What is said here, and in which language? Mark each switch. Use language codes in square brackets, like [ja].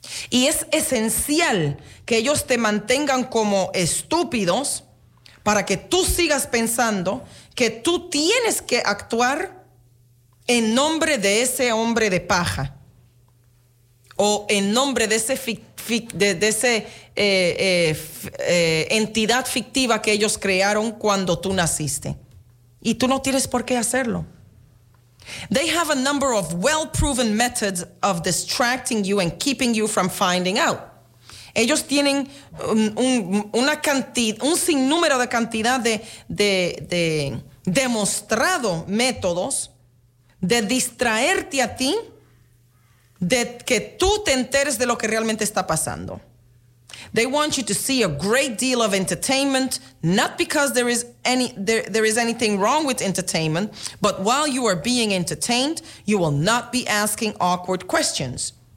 [es] Y es esencial que ellos te mantengan como estúpidos para que tú sigas pensando que tú tienes que actuar en nombre de ese hombre de paja. O en nombre de ese entidad fictiva que ellos crearon cuando tú naciste. Y tú no tienes por qué hacerlo. [en] They have a number of well-proven methods of distracting you and keeping you from finding out. [es] Ellos tienen un sinnúmero de demostrado métodos de distraerte a ti de que tú te enteres de lo que realmente está pasando. [en] They want you to see a great deal of entertainment, not because there is anything wrong with entertainment, but while you are being entertained, you will not be asking awkward questions.